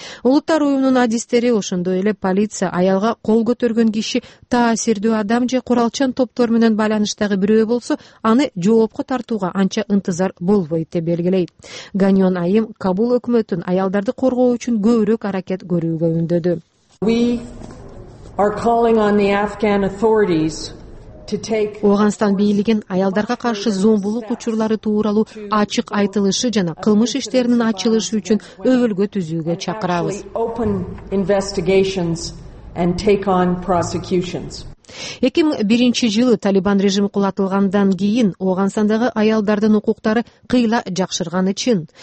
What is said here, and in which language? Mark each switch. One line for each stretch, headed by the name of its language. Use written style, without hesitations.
Kyrgyz: Улуттар уюмунун адистери ошондой эле полиция аялга кол көтөргөн киши таасирдүү адам же куралчан топтор менен байланыштагы бирөө болсо, аны жоопко тартууга анча ынтызар болбойт деп белгилейт. Ганьон айым Кабул өкмөтүн аялдарды коргоо үчүн көбүрөөк аракет көрүүгө үндөдү.
English: We are calling on the Afghan authorities.
Kyrgyz: Ооганстан бийлигин аялдарга каршы зомбулук учурлары тууралуу ачык айтылышы жана кылмыш иштеринин ачылышы үчүн өбөлгө түзүүгө чакырабыз. 2001 жылы Талибан режими кулатылгандан кийин Огансандагы аялдардын укуктары кыйла жакшырганы чын.